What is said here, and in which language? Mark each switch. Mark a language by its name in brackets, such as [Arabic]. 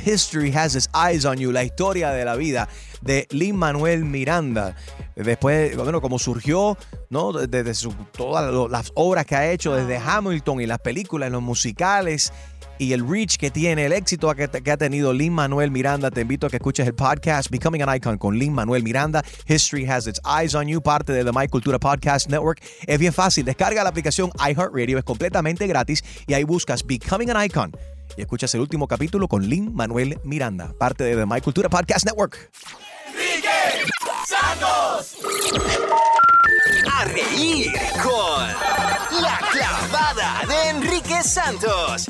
[English] History has its eyes on you. [Spanish] La historia de la vida de Lin-Manuel Miranda. Después, bueno, como surgió, ¿no? Desde su, todas las obras que ha hecho, desde Hamilton y las películas, los musicales y el reach que tiene, el éxito que ha tenido Lin-Manuel Miranda. Te invito a que escuches el podcast Becoming an Icon con Lin-Manuel Miranda. [English] History has its eyes on you, [Spanish] parte de The My Cultura Podcast Network. Es bien fácil, descarga la aplicación iHeartRadio, es completamente gratis y ahí buscas Becoming an Icon. Y escuchas el último capítulo con Lin-Manuel Miranda, parte de The My Cultura Podcast Network. ¡Enrique Santos! ¡A reír con La Clavada de Enrique Santos!